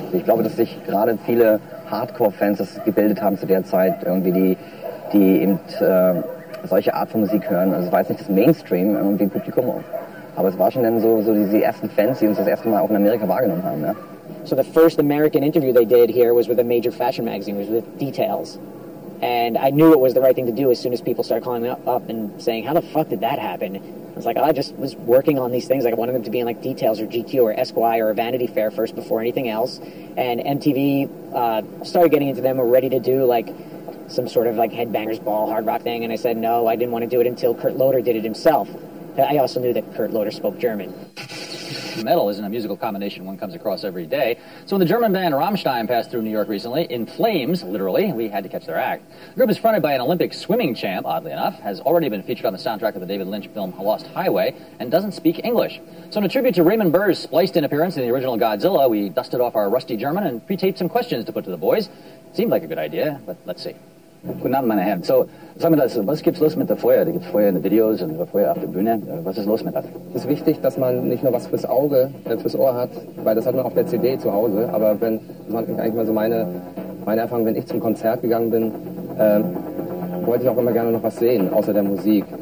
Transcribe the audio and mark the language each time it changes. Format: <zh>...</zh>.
<de>Ich glaube, dass sich gerade viele Hardcore-Fans das gebildet haben zu der Zeit, irgendwie die eben solche Art von Musik hören. Also, ich weiß nicht, das Mainstream irgendwie im Publikum. Aber es war schon dann so diese ersten Fans, die uns das erste Mal auch in Amerika wahrgenommen haben, ja.</de> <en>So the first American interview they did here was with a major fashion magazine, was with Details. And I knew it was the right thing to do as soon as people started calling up and saying, how the fuck did that happen? I was like, oh, I just was working on these things. Like, I wanted them to be in like Details or GQ or Esquire or Vanity Fair first before anything else. And MTV started getting into them, were ready to do like some sort of like Headbangers Ball hard rock thing. And I said, no, I didn't want to do it until Kurt Loder did it himself. I also knew that Kurt Loder spoke German. Metal isn't a musical combination one comes across every day. So when the German band Rammstein passed through New York recently, in flames, literally, we had to catch their act. The group is fronted by an Olympic swimming champ, oddly enough, has already been featured on the soundtrack of the David Lynch film Lost Highway, and doesn't speak English. So in a tribute to Raymond Burr's spliced-in appearance in the original Godzilla, we dusted off our rusty German and pre-taped some questions to put to the boys. Seemed like a good idea, but let's see.</en> <de>Guten Abend, meine Herren. So, sag mir das, was gibt's los mit der Feuer? Da gibt's Feuer in den Videos und Feuer auf der Bühne. Was ist los mit das? Es ist wichtig, dass man nicht nur was fürs Auge, fürs Ohr hat, weil das hat man auf der CD zu Hause. Aber wenn, das war eigentlich mal so meine Erfahrung, wenn ich zum Konzert gegangen bin, wollte ich auch immer gerne noch was sehen, außer der Musik.</de>